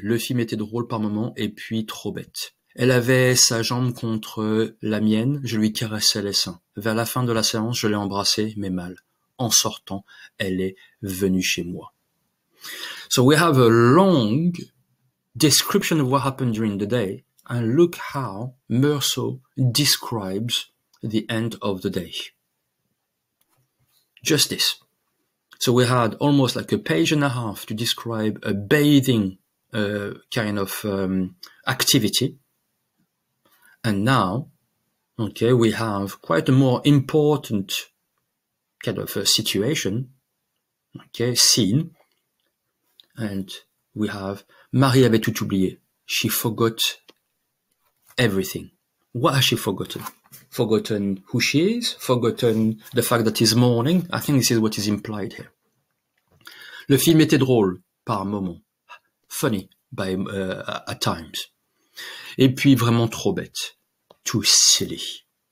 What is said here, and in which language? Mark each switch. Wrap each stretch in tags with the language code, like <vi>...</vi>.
<fr>Le film était drôle par moments et puis trop bête. Elle avait sa jambe contre la mienne. Je lui caressais les seins. Vers la fin de la séance, je l'ai embrassée, mais mal. En sortant, elle est venue chez moi.</fr> <en>So we have a long description of what happened during the day. And look how Meursault describes the end of the day. Just this. So we had almost like a page and a half to describe a bathing kind of activity. And now, okay, we have quite a more important kind of a situation, okay, scene. And we have</en> <fr>Marie avait tout oublié.</fr> <en>She forgot everything. What has she forgotten? Forgotten who she is? Forgotten the fact that it's morning? I think this is what is implied here.</en> <fr>Le film était drôle par moments,</fr> <en>funny at times,</en> <fr>et puis vraiment trop bête,</fr> <en>too silly.</en>